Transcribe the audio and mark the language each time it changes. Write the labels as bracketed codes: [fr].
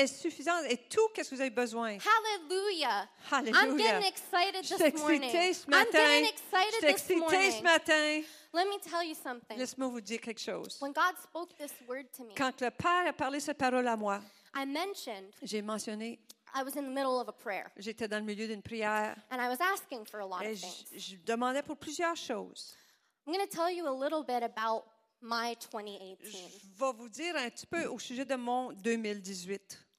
[fr] Est suffisante et tout qu'est-ce que vous avez besoin. [en] Hallelujah. Hallelujah. I'm getting excited this morning. [fr] Je suis excité ce matin. [en] Let me tell you something. [fr] Laisse-moi vous dire quelque chose. [en] When God spoke this word to me, [fr] quand le Père a parlé cette parole à moi, [en] I mentioned, [fr] j'ai mentionné, [en] I was in the middle of a prayer, [fr] j'étais dans le milieu d'une prière, [en] and I was asking for a lot of things. [fr] Je demandais pour plusieurs choses. [en] I'm going to tell you a little bit about my 2018. [fr] Je vais vous dire un petit peu au sujet de mon 2018.